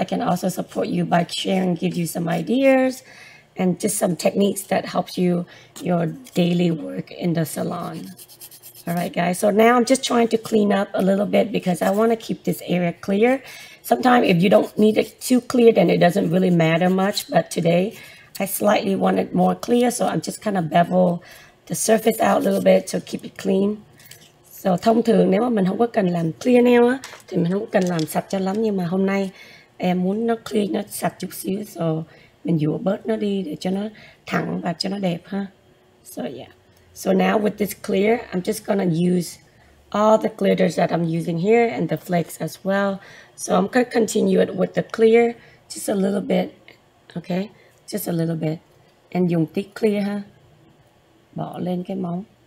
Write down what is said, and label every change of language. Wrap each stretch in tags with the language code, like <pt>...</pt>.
<en>I can also support you by sharing, give you some ideas and just some techniques that helps you your daily work in the salon. All right, guys. So now I'm just trying to clean up a little bit because I want to keep this area clear. Sometimes if you don't need it too clear, then it doesn't really matter much. But today I slightly want it more clear. So I'm just kind of bevel the surface out a little bit to keep it clean. So</en> <vi>thông thường nếu mà mình không có cần làm clear nail á, thì mình không cần làm sạch cho lắm. Nhưng mà hôm nay em muốn nó clean, nó sạch chút xíu.</vi> <en>So</en> <vi>mình dùa bớt nó đi để cho nó thẳng và cho nó đẹp ha.</vi> <en>So yeah. So now with this clear, I'm just gonna use all the glitters that I'm using here and the flakes as well. So I'm gonna continue it with the clear, just a little bit, okay? Just a little bit. And</en> <vi>dùng tí clear ha. Bỏ lên cái móng.</vi>